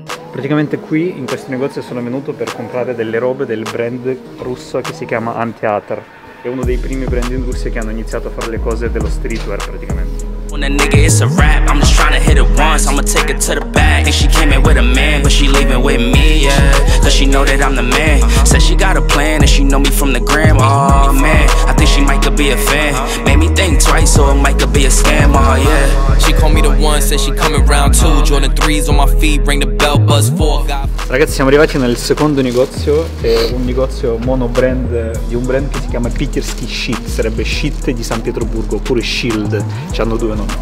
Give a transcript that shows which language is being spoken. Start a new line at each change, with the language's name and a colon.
Italian: Praticamente qui in questo negozio sono venuto per comprare delle robe del brand russo che si chiama Anteater. È uno dei primi brand in Russia che hanno iniziato a fare le cose dello streetwear praticamente.
English: When a nigga it's a rap, I'm just trying to hit it once, I'ma take it to the back. Think she came in with a man, but she leaving with me, yeah. Cause she know that I'm the man. Said she got a plan and she know me from the gram. Oh man, I think she might could be a fan. Made me think twice, so it might could be a scam, oh yeah. She called me the one, said she coming round two. Jordan 3's on my feet, bring the bell, buzz 4.
Italian: Ragazzi, siamo arrivati nel secondo negozio, è un negozio mono brand di un brand che si chiama Petersky Shit, sarebbe Shit di San Pietroburgo, oppure Shield, ci hanno due nomi.